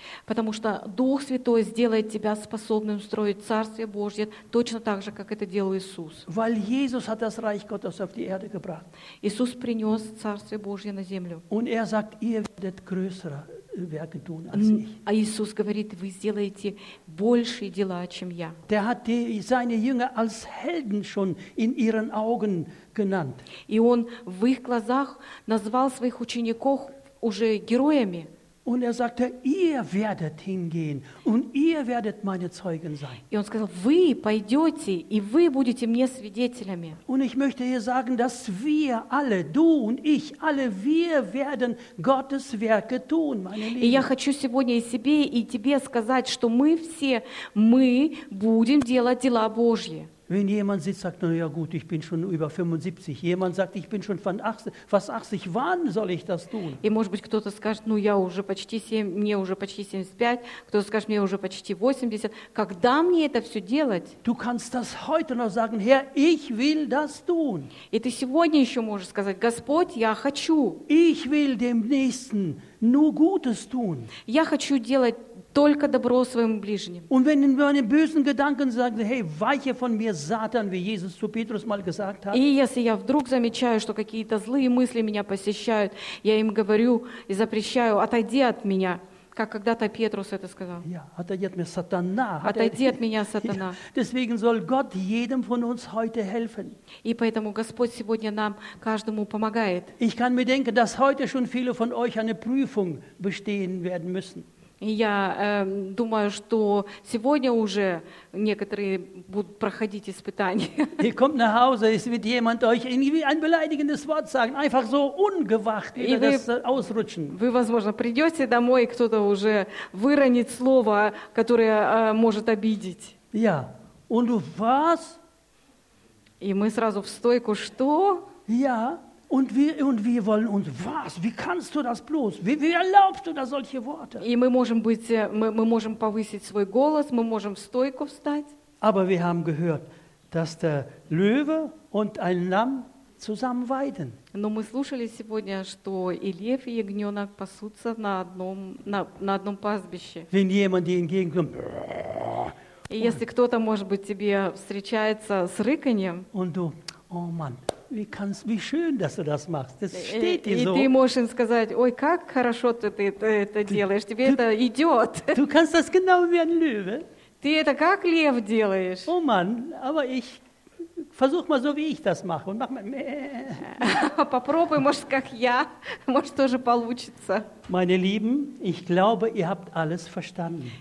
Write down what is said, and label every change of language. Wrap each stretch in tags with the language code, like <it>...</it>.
<ru>Потому что Дух Святой сделает тебя способным строить Царствие Божье точно так же, как это делал Иисус.</ru> <de>Weil Jesus hat das Reich Gottes auf die Erde gebracht.</de> <ru>Иисус принес Царствие Божье на землю.</ru> <de>Und sagt, ihr werdet größere Werke tun als ich.</de> <ru>А Иисус говорит, вы сделаете большие дела, чем я.</ru> <de>Der hat seine Jünger als Helden schon in ihren Augen genannt.</de> <ru>И он в их глазах назвал своих учеников уже героями.</ru> <de>Und sagte, ihr werdet hingehen und ihr werdet meine Zeugen sein.</de> <ru>И он сказал, вы пойдете, и вы будете мне свидетелями.</ru> <de>Und ich möchte hier sagen, dass wir alle, du und ich, alle wir werden Gottes Werke tun, meine Lieben.</de> <ru>И я хочу сегодня и себе, и тебе сказать, что мы все, мы будем делать дела Божьи.</ru> <de>Wenn jemand sitzt, sagt, na ja gut, ich bin schon über 75. Jemand sagt, ich bin schon fast 80. Wann soll ich das tun?</de> <ru>И может быть кто-то скажет, ну я уже почти 7, мне уже почти 75. Кто-то скажет, мне уже почти 80. Когда мне это все делать?</ru> <de>Du kannst das heute noch sagen, Herr, ich will das tun.</de> <ru>И ты сегодня еще можешь сказать, Господь, я хочу.</ru> <de>Ich will dem Nächsten nur Gutes tun.</de> <ru>Я хочу делать только добро своему ближнему.</ru> <de>Und wenn in meinen bösen Gedanken sagen, hey, weiche von mir, Satan, wie Jesus zu Petrus mal gesagt hat.</de> <ru>И если я вдруг замечаю, что какие-то злые мысли меня посещают, я им говорю и запрещаю, отойди от меня, как когда-то Петрус это сказал. Ja, отойди от меня, Сатана. Отойди от меня, Сатана.</ru> <de>Deswegen soll Gott jedem von uns heute helfen.</de> <ru>И поэтому Господь сегодня нам каждому помогает.</ru> <de>Ich kann mir denken, dass heute schon viele von euch eine Prüfung bestehen werden müssen.</de> <ru>Я думаю, что сегодня уже некоторые будут проходить испытания.</ru> <de>И kommt nach Hause, es wird jemand euch irgendwie ein beleidigendes Wort sagen, einfach so ungewacht wieder das ausrutschen.</de> <ru>Вы, возможно, придете домой, кто-то уже выронит слово, которое может обидеть.</ru> <de>Ja, und was?</de> <ru>И мы сразу в стойку, что?</ru> <de>Ja. Und wir wollen uns, was, wie kannst du das bloß, wie erlaubst du da solche Worte?</de> <ru>И мы можем быть, мы можем повысить свой голос, мы можем в стойку встать.</ru> <de>Aber wir haben gehört, dass der Löwe und ein Lamm zusammen weiden.</de> <ru>Но мы слушали сегодня, что и лев, и ягненок пасутся на одном пастбище.</ru> <de>Wenn jemand dir entgegenkommt,</de> <ru>и если кто-то, может быть, тебе встречается с рыканьем,</ru> <de>und du, oh Mann, wie schön, dass du das machst. Das steht dir</de> <ru>и</ru> <de>so.</de> <ru>Ты можешь сказать, ой, как хорошо ты это делаешь, тебе это идет.</ru> <de>Du kannst das genau wie ein Löwe.</de> <ru>Ты это как лев делаешь.</ru> <de>Oh Mann, aber ich versuch mal so, wie ich das mache. Und mach mal.</de> <ru>Попробуй, может, как я, может, тоже получится.</ru> <de>Meine Lieben, ich glaube, ihr habt alles verstanden.</de>